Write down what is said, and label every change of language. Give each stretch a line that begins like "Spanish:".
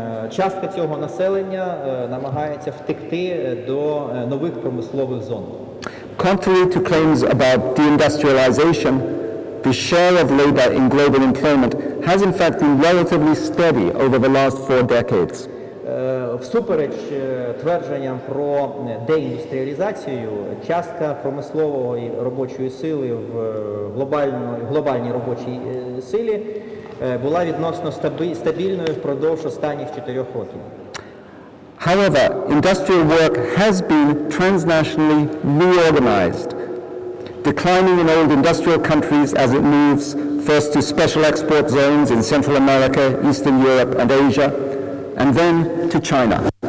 Ukrainian: Частка цього населення намагається втекти до нових промислових зон.
English: Contrary to claims about deindustrialization, the share of labor in global employment has in fact been relatively steady over the last four decades.
Ukrainian: Всупереч твердженням про деіндустріалізацію, частка промислової робочої сили в глобальній робочій силі була відносно стабільною впродовж останніх 4 років.
English: However, industrial work has been transnationally reorganized, declining in old industrial countries as it moves first to special export zones in Central America, Eastern Europe and Asia, and then to China.